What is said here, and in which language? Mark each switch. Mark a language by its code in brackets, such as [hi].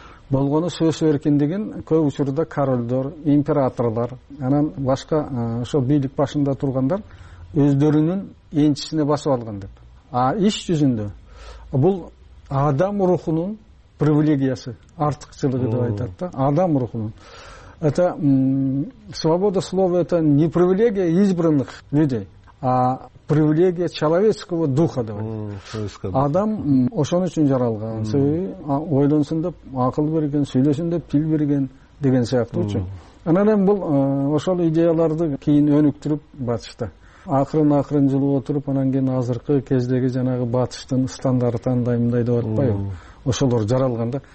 [ky] Болгону сөз эркиндигин көп учурда королдор, императорлор, анан башка ошо бийлик башында тургандар өздөрүнүн энчисине басып алган деп. А иш жүзүндө бул адам рухунун привилегиясы, артыкчылыгы деп айтат да. Адам рухунун. [ru] Это свобода слова это не привилегия избранных людей, а привилегия человеческого духа [ky] деп. Адам ошон үчүн жаралган. Себеби ойлонсун деп акыл берген, сүйлөсүн деп тил берген деген сыяктуучу. Анан эми бул ошол идеяларды кийин өнүктүрүп батышта. Акырын-акырын жылып отуруп, анан кийин азыркы кездеги жанагы батыштын стандарты андай мындай деп атпайбы? Ошолор жаралган да.